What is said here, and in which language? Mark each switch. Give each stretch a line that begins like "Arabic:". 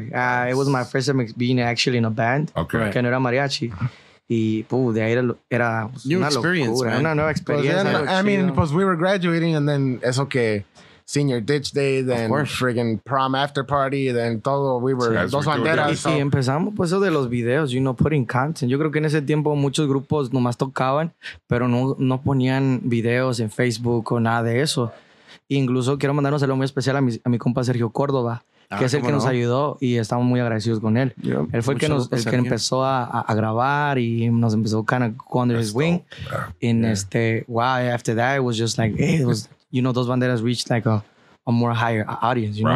English: It was my first time being actually in a band. Okay.
Spanish: Que no era mariachi. Y, puh, de ahí era
English: new una experience, locura, man.
Spanish: Una nueva experiencia. Pues,
English: yeah, I mean,
Spanish: pues
English: we were graduating and then
Spanish: eso que...
English: Senior ditch day, then friggin' prom after party, then
Spanish: todo,
English: we were
Spanish: sí, dos banderas. Y si empezamos, pues eso de los videos,
English: you know, putting content.
Spanish: Yo creo que en ese tiempo muchos grupos nomás tocaban, pero no ponían videos en Facebook o nada de eso. E incluso quiero mandar un saludo muy especial a mi compa Sergio Córdoba, que es el que nos ayudó y estamos muy agradecidos con él.
English: Yeah,
Spanish: él fue el que empezó a grabar y nos empezó
English: kind of go under his wing. En after that, it was just like, hey, it was... You know, those banderas reached like a more higher audience, you know?